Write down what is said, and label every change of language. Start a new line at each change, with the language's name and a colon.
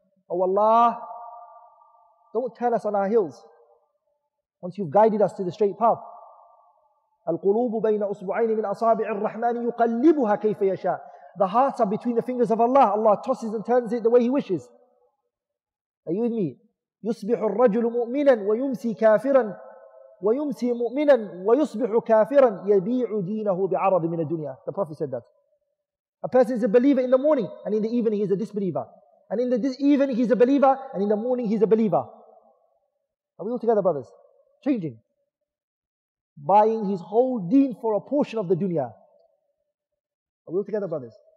English: Oh Allah, don't turn us on our heels once you've guided us to the straight path.
Arabic: الْقُلُوبُ بَيْنَ أُصْبُعَيْنِ مِنْ أَصَابِعِ الرَّحْمَنِ يُقَلِّبُهَا كَيْفَ يَشَاءُ.
English: The hearts are between the fingers of Allah. Allah tosses and turns it the way He wishes. Are you with me?
Arabic: يصبح الرجل مؤمنا ويمسي كافرا ويمسي مؤمنا ويصبح كافرا يبيع دينه بعرض من الدنيا.
English: The Prophet said that. A person is a believer in the morning and in the evening he is a disbeliever. And in the evening he is a believer and in the morning he is a believer. Are we all together, brothers? Changing. Buying his whole deen for a portion of the dunya. Are we all together, brothers?